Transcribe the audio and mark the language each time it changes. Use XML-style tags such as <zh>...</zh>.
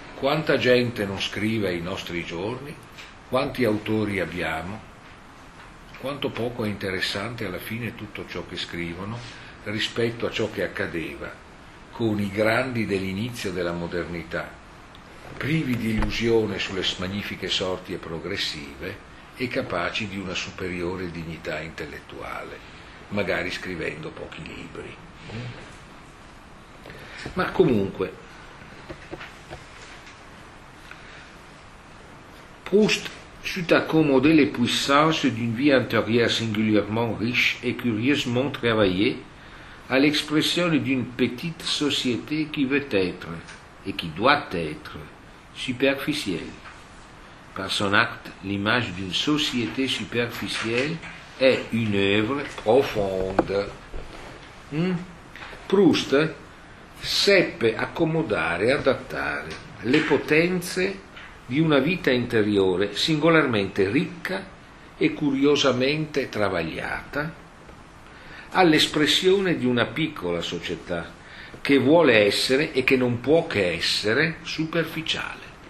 <it>Quanta gente non scrive ai nostri giorni, quanti autori abbiamo, quanto poco è interessante alla fine tutto ciò che scrivono rispetto a ciò che accadeva con i grandi dell'inizio della modernità, privi di illusione sulle magnifiche sorti e progressive e capaci di una superiore dignità intellettuale, magari scrivendo pochi libri. Ma comunque,</it> <fr>Proust sut accommoder les puissances d'une vie intérieure singulièrement riche et curieusement travaillée à l'expression d'une petite société qui veut être et qui doit être superficielle. Par son acte, l'image d'une société superficielle est une œuvre profonde.</fr> <it>Proust seppe accomodare, adattare le potenze di una vita interiore singolarmente ricca e curiosamente travagliata, all'espressione di una piccola società che vuole essere e che non può che essere superficiale.</it>